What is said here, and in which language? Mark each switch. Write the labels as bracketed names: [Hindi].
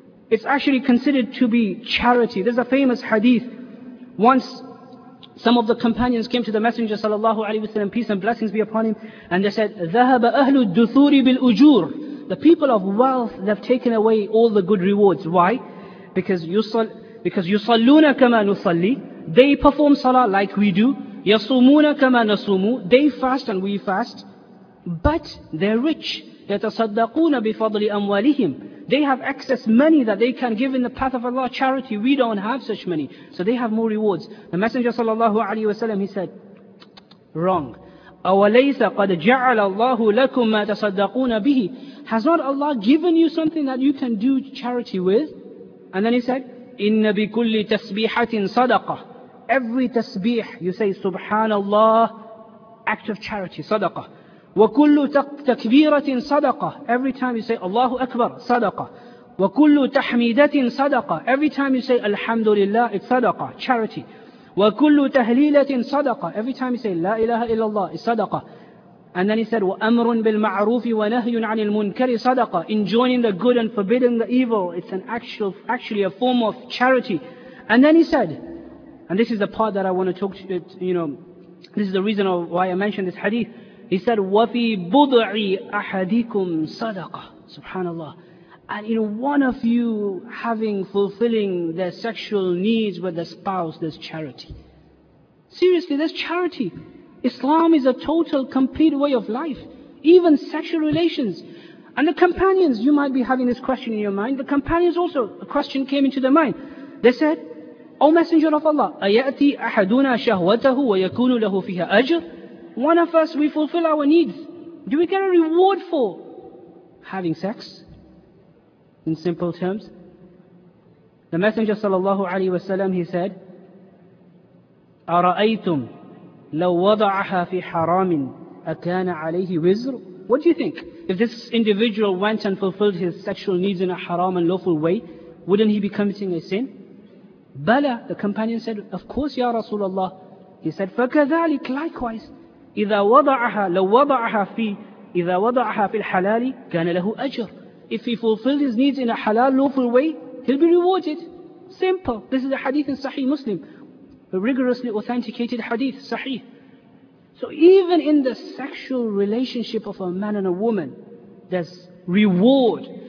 [English] It's actually considered to be charity. There's a famous hadith. Once some of the companions came to the Messenger sallallahu alaihi wasallam, peace and blessings be upon him, and they said, [Arabic] ذَهَبَ أَهْلُ الدُّثُورِ بِالْأُجُورِ. [English] The people of wealth, they've taken away all the good rewards. Why? Because [Arabic] يُصَلُّونَ كَمَا نُصَلِّي. [English] They perform salah like we do. [Arabic] يَصُومُونَ كَمَا نَصُومُ. [English] They fast and we fast. But they're rich. [Arabic] يَتَصَدَّقُونَ بِفَضْلِ أَمْوَالِهِمْ. [English] They have excess money that they can give in the path of Allah, charity. We don't have such money. So they have more rewards. The Messenger sallallahu alayhi wa sallam, he said, wrong. [Arabic] أَوَلَيْسَ قَدْ جَعَلَ اللَّهُ لَكُمْ مَا تَصَدَّقُونَ بِهِ. [English] Has not Allah given you something that you can do charity with? And then he said, [Arabic] إِنَّ بِكُلِّ تَسْبِيحَةٍ صَدَقَةٍ. [English] Every tasbih, you say subhanallah, act of charity, sadaqah. [Arabic] وَكُلُّ تَكْبِيرَةٍ صَدَقَةٍ. [English] Every time you say Allahu Akbar, sadaqah. [Arabic] وَكُلُّ تَحْمِيدَةٍ صَدَقَةٍ. [English] Every time you say Alhamdulillah, it's sadaqah, charity. [Arabic] وَكُلُّ تَهْلِيلَةٍ صَدَقَةٍ. [English] Every time you say La ilaha illallah, it's sadaqah. And then he said, [Arabic] وَأَمْرٌ بِالْمَعْرُوفِ وَنَهْيٌ عَنِ الْمُنْكَرِ صَدَقَةٍ. [English] Enjoining the good and forbidding the evil, it's an actually a form of charity. And then he said, and this is the part that I want to talk to you, you know, this is the reason of why I mentioned this hadith. He said, [Arabic] وَفِي بُضْعِ أَحَدِكُمْ صَدَقَةٍ. Subhanallah. [English] And in one of you having fulfilling their sexual needs with the spouse, there's charity. Seriously, there's charity. Islam is a total, complete way of life. Even sexual relations. And the companions, you might be having this question in your mind. The companions also, a question came into their mind. They said, O Messenger of Allah, [Arabic] أَيَأْتِي أَحَدُنَا شَهْوَتَهُ وَيَكُونُ لَهُ فِيهَا أَجْرٌ. [English] One of us, we fulfill our needs. Do we get a reward for having sex? In simple terms, the Messenger sallallahu alaihi wasallam, he said, [Arabic] أَرَأَيْتُمْ لَوْ وَضَعَهَا فِي حَرَامٍ أَكَانَ عَلَيْهِ وِزْرٌ. [English] What do you think? If this individual went and fulfilled his sexual needs in a haram and lawful way, wouldn't he be committing a sin? Bala, the companion said, of course, Ya Rasulullah. He said, [Arabic] فَكَذَلِكَ [English] likewise, [Arabic] إِذَا وَضَعَهَا لَوْ وَضَعَهَا فِي إِذَا وَضَعَهَا فِي الْحَلَالِ كَانَ لَهُ أَجْرٌ. [English] If he fulfilled his needs in a halal, lawful way, he'll be rewarded. Simple. This is a hadith in Sahih Muslim. A rigorously authenticated hadith, Sahih. So even in the sexual relationship of a man and a woman, there's reward.